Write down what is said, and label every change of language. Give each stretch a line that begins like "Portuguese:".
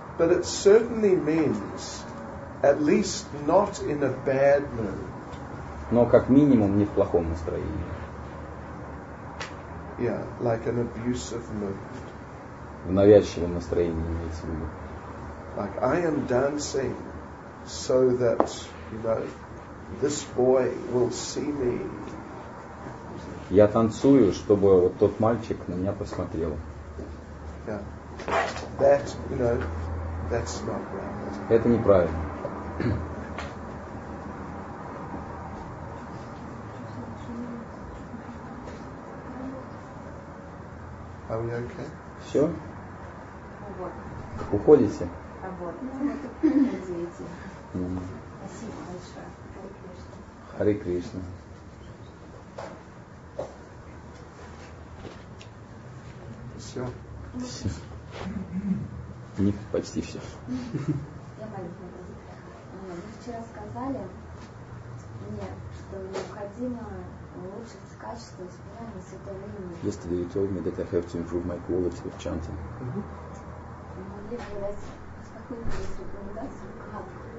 English: But it certainly means, at least not in a bad mood.
Russian: Но как минимум не в плохом настроении.
English: Yeah, like an abusive mood.
Russian: В навязчивом настроении имеется в виду.
English: Like I am dancing so that, you know, this boy will see me.
Russian: Я танцую, чтобы вот тот мальчик на меня посмотрел.
English: Yeah, that, you know, that's not right.
Russian: Это неправильно.
English: Are we okay?
Russian: Все? Уходите? Hare Krishna. Все? Все. Не, почти все. Я маленькая. Вы вчера сказали мне, что необходимо улучшить качество исполнения святого имени.
English: Yesterday you told me that I have to improve my quality of chanting.
Russian: Могли бы дать какую-нибудь рекомендацию, как?